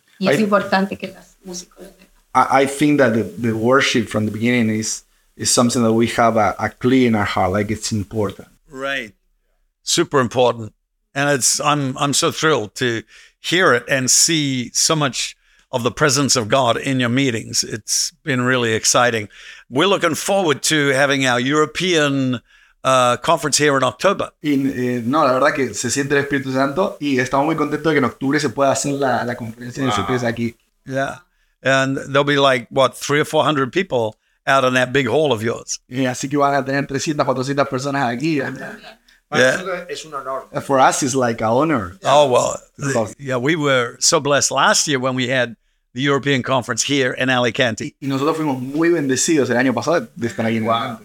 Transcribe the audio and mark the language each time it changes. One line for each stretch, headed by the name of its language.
Spanish: Y es importante que los músicos lo sepan.
English: I think that the worship from the beginning is something that we have a clear in our heart, like it's important. Right. Super important. And I'm so thrilled to hear it and see so much of the presence of God in your meetings. It's been really exciting. We're looking forward to having our European conference here in October.
Spanish: No, la verdad que se siente el Espíritu Santo y estamos muy contentos de que en octubre se pueda hacer la conferencia de CPS aquí.
English: Yeah, and there'll be like, what, 300 or 400 people out in that big hall of yours.
Spanish: Y así que van a tener 300, 400 personas aquí. Yeah. Es un honor.
English: For us, it's like an honor. Oh, well, we were so blessed last year when we had the European conference here in Alicante.
Spanish: Y nosotros fuimos muy bendecidos el año pasado de estar aquí en Alicante.